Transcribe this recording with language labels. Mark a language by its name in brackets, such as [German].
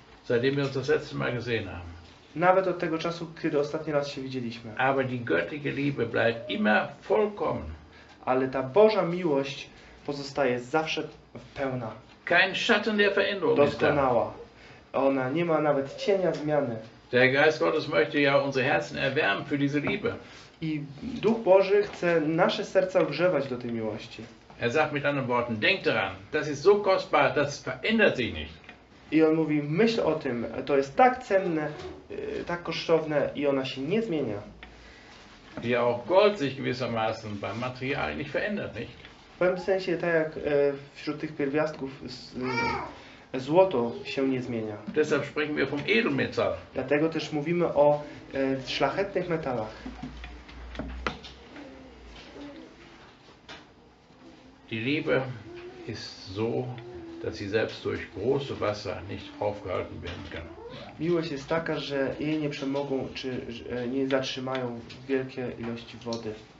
[German] Seitdem wir uns das letzte Mal gesehen haben. [Polish] Nawet od tego czasu, kiedy ostatni raz się widzieliśmy. [German] Aber die göttliche Liebe bleibt immer vollkommen. [Polish] Ale ta Boża miłość pozostaje zawsze pełna. [German] Kein Schatten der Veränderung. [Polish] Doskonała. Ona nie ma nawet cienia zmiany. [German] Der Geist Gottes möchte ja unsere Herzen erwärmen für diese Liebe. [Polish] I Duch Boży chce nasze serca ogrzewać do tej miłości. [German] Er sagt mit anderen Worten, denk daran, das ist so kostbar, das verändert sich nicht. [Polish] I on mówi, myśl o tym, to jest tak cenne, tak kosztowne i ona się nie zmienia. [German] Wie auch Gold sich gewissermaßen beim Material nicht verändert, nicht? [Polish] W pewnym sensie tak jak wśród tych pierwiastków złoto się nie zmienia. [German] Deshalb sprechen wir vom Edelmetall. [Polish] Dlatego też mówimy o szlachetnych metalach. [German] Die Liebe ist so, dass sie selbst durch große Wasser nicht aufgehalten werden kann. [Polish] Miłość jest taka, że jej nie przemogą, czy nie zatrzymają wielkie ilości wody.